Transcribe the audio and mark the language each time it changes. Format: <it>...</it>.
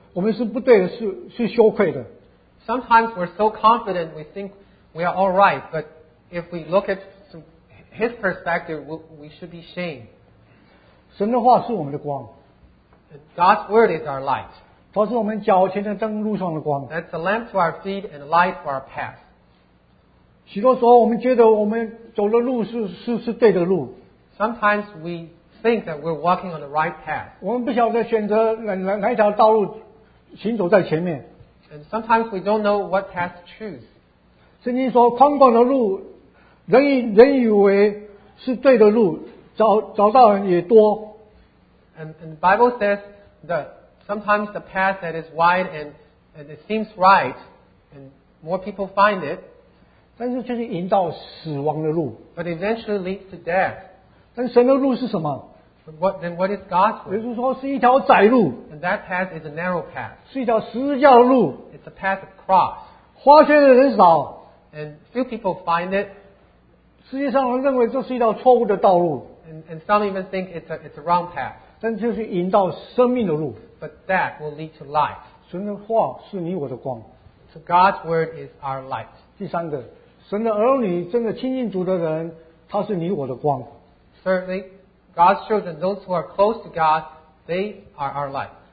<zh>也许多时候我们觉得蛮有自信，觉得都是对的，但是在主的面前，我们觉得我们是不对的，是羞愧的。</zh> <en>Sometimes we're so confident we think we are all right, but if we look at His perspective, we should be ashamed.</en> <zh>神的话是我们的光。</zh> <en>God's word is our light.</en> <zh>它是我们脚前的灯，路上的光。</zh> <en>That's a lamp to our feet and a light for our path.</en> <zh>许多时候我们觉得我们走的路是对的路。</zh> <en>Sometimes we think that we're walking on the right path.</en> <zh>我们不晓得选择哪条道路行走在前面。</zh> <en>And sometimes we don't know what path to choose.</en> <zh>圣经说，宽广的路。 人以为是对的路，找到人也多。</zh> <en>And the Bible says that sometimes the path that is wide and it seems right, and more people find it.</en> <zh>但是就是引到死亡的路。</zh> <en>But eventually leads to death.</en> <zh>但神的路是什么？</zh> <en>What is God's way?</en> <zh>也就是说是一条窄路。</zh> <en>And that path is a narrow path.</en> <zh>是一条十字架的路。</zh> <en>It's a path of cross.</en> <zh>花钱的人少。</zh> <en>And few people find it.</en> <zh>世界上认为这是一条错误的道路。</zh> <en>And some even think it's a wrong path.</en> <zh>但就是引到生命的路。</zh> <en>But that will lead to life.</en> <zh>神的话是你我的光。</zh> <en>So God's word is our light.</en> <zh>第三个, 神的儿女真的亲近主的人, 他是你我的光。</zh> <en>Certainly, God's children, those who are close to God, they are our light.</en>